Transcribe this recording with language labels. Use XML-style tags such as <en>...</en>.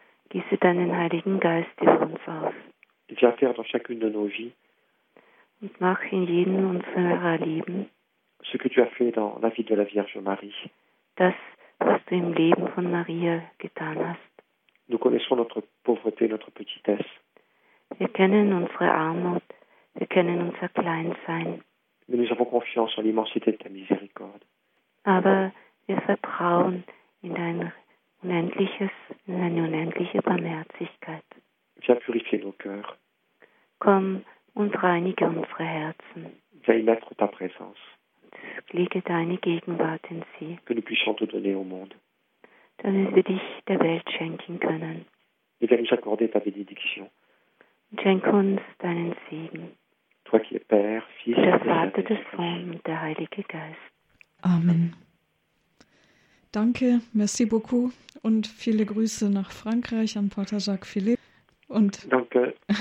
<de>Gieße deinen Heiligen Geist über uns aus.</de> <fr>Viens faire dans chacune de nos vies.</fr> <de>Und mach in jedem unserer Leben.</de> <fr>Ce que tu as fait dans la vie de la Vierge Marie.</fr> <de>Das, was du im Leben von Maria getan hast.</de> <fr>Nous connaissons notre pauvreté, notre petitesse.</fr> <de>Wir kennen unsere Armut. Wir kennen unser Kleinsein.</de> <fr>Mais nous avons confiance en l'immensité de ta miséricorde.</fr> <de>aber wir vertrauen in ein unendliches, in eine unendliche Barmherzigkeit.</de> <fr>Viens purifier nos cœurs.</fr> <de>Komm und reinige unsere Herzen.</de> <fr>Viens mettre ta présence.</fr> <de>Lege deine Gegenwart in sie.</de> <fr>Que nous puissions te donner au monde.</fr> <de>Damit wir dich der Welt schenken können.</de> <fr>Et viens nous accorder ta bénédiction.</fr> <de>Schenk uns deinen Segen.</de> <fr>Toi qui es Père, Fils,</fr> <de>der Vater, des Sohn und der Heilige Geist.</de> <fr>Amen.</fr> <de>Danke,</de> <fr>merci beaucoup</fr> <de>und viele Grüße nach Frankreich an Pater Jacques Philippe. Und danke.</de>